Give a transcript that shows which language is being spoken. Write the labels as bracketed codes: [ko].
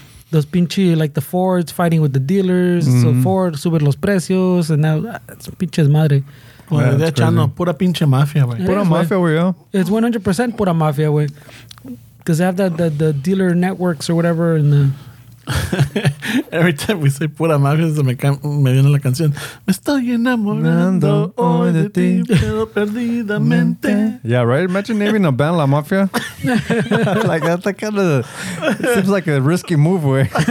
[en] Those pinche, like the Fords fighting with the dealers, so Ford [es] sube los precios, [en] and now it's [es] pinches madre. [en] Yeah, well, they're [es] echando pura pinche mafia, [en] güey. [es] Pura mafia, güey, yo. [en] It's 100% [es] pura mafia, [en] güey. Because they have the dealer networks or whatever, and the... Every time we say [es] pura mafia, se me viene la canción. Me estoy enamorando hoy de ti, pero perdidamente. [en] Yeah, right? Imagine naming a band La Mafia. Like, that's the kind of... It seems like a risky move, way.